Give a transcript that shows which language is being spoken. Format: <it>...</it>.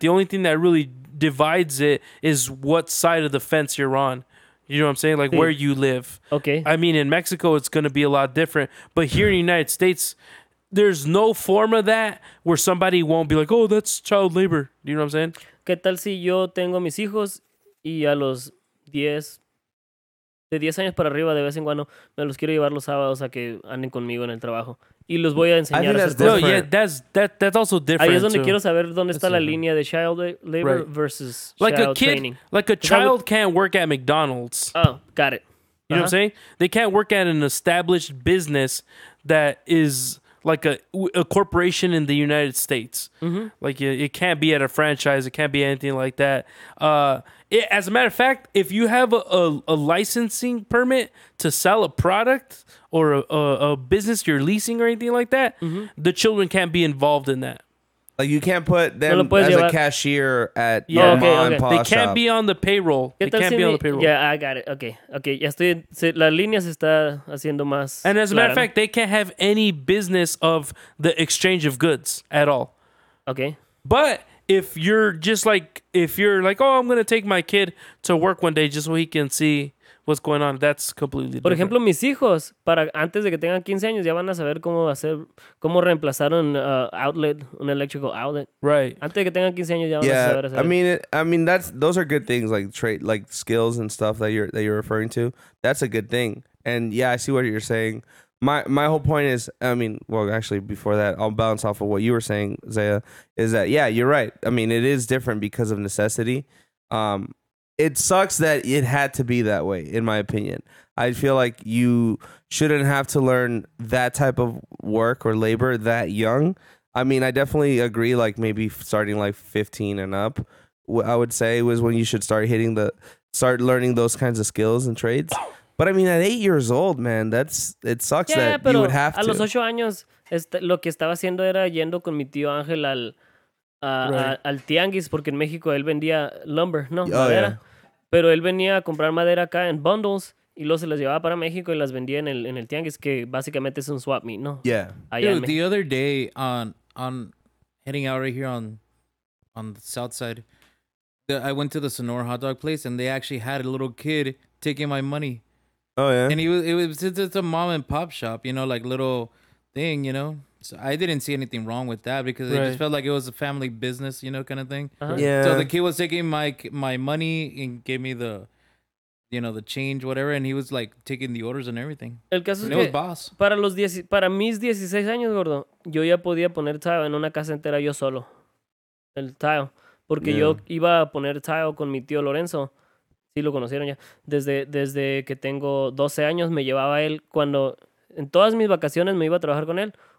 <en>The only thing that really divides it is what side of the fence you're on. You know what I'm saying? Like where you live. Okay. I mean, in Mexico, it's going to be a lot different. But here in the United States, there's no form of that where somebody won't be like, oh, that's child labor. You know what I'm saying?</en> <es>¿Qué tal si yo tengo mis hijos y a los 10, de 10 años para arriba, de vez en cuando, me los quiero llevar los sábados a que anden conmigo en el trabajo? Y los voy a enseñar.</es> <en>That's also different.</en> <es>Ahí es donde quiero saber dónde está la línea de</es> <en>child labor versus like child a kid, training. Like a child can't work at McDonald's. Oh, got it. You know what I'm saying? They can't work at an established business that is like a corporation in the United States. Mm-hmm. Like it can't be at a franchise. It can't be anything like that. As a matter of fact, if you have a licensing permit to sell a product or a business you're leasing or anything like that, mm-hmm. the children can't be involved in that. Like you can't put them as a cashier at your mom and pa shop. They can't be on the payroll. Yeah, I got it. Okay.</en> <es>Ya estoy. La línea se está haciendo más.</es> <en>And as a matter of fact, they can't have any business of the exchange of goods at all. Okay. But if you're just like, oh, I'm going to take my kid to work one day just so he can see what's going on, that's completely different.</en> <es>Por ejemplo, mis hijos, antes de que tengan 15 años, ya van a saber cómo reemplazar un electrical outlet.</es> <en>Right.</en> <es>Antes de que tengan 15 años, ya van a saber hacer.</es> <en>I mean, those are good things, like trade, like skills and stuff that you're referring to. That's a good thing. And yeah, I see what you're saying. My whole point is, I mean, well, actually, before that, I'll bounce off of what you were saying, Zaya, is that, yeah, you're right. I mean, it is different because of necessity. It sucks that it had to be that way, in my opinion. I feel like you shouldn't have to learn that type of work or labor that young. I mean, I definitely agree, like, maybe starting, like, 15 and up, I would say, was when you should start learning those kinds of skills and trades. But, I mean, at 8 years old, man, it sucks that you would have to.</en> <es>A los 8 años, lo que estaba haciendo era yendo con mi tío Ángel al... al tianguis, porque en México él vendía lumber, ¿no? Madera.</es> <en>Yeah.</en> <es>Pero él venía a comprar madera acá en bundles y luego se las llevaba para México y las vendía en el tianguis, que básicamente es un swap meet, ¿no? Yeah. Allá,</es> <en>dude, the other day, on heading out right here on the south side, I went to the Sonora hot dog place and they actually had a little kid taking my money. Oh, yeah? And it's a mom and pop shop, you know, like little thing, you know? So I didn't see anything wrong with that because it just felt like it was a family business, you know, kind of thing. Uh-huh. Yeah. So the kid was taking my money and gave me the, you know, the change, whatever. And he was like taking the orders and everything.</en> <es>El caso</es> <en>and</en> <es>es que</es> <en>it was boss.</en> <es>Para mis 16 años, gordo, yo ya podía poner tile en una casa entera yo solo. El tile. Porque yo iba a poner tile con mi tío Lorenzo. Sí, lo conocieron ya. Desde que tengo 12 años me llevaba él. Cuando en todas mis vacaciones me iba a trabajar con él.</es>